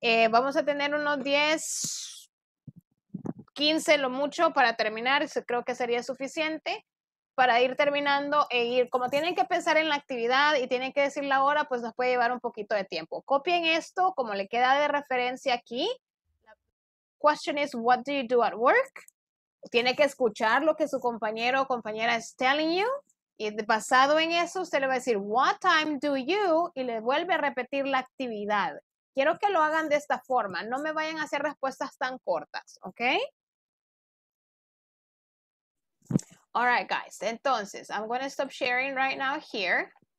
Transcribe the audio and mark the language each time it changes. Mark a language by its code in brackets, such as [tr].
[es] Vamos a tener unos 10, 15 lo mucho para terminar. Creo que sería suficiente para ir terminando e ir. Como tienen que pensar en la actividad y tienen que decir la hora, pues nos puede llevar un poquito de tiempo. Copien esto, como le queda de referencia aquí. [en] Question is, what do you do at work? [es] Tiene que escuchar lo que su compañero o compañera [en] is telling you. [es] Y basado en eso, usted le va a decir, [en] what time do you? [es] Y le vuelve a repetir la actividad. Quiero que lo hagan de esta forma. No me vayan a hacer respuestas tan cortas, ¿ok? [en] All right, guys. Entonces, I'm going to stop sharing right now here.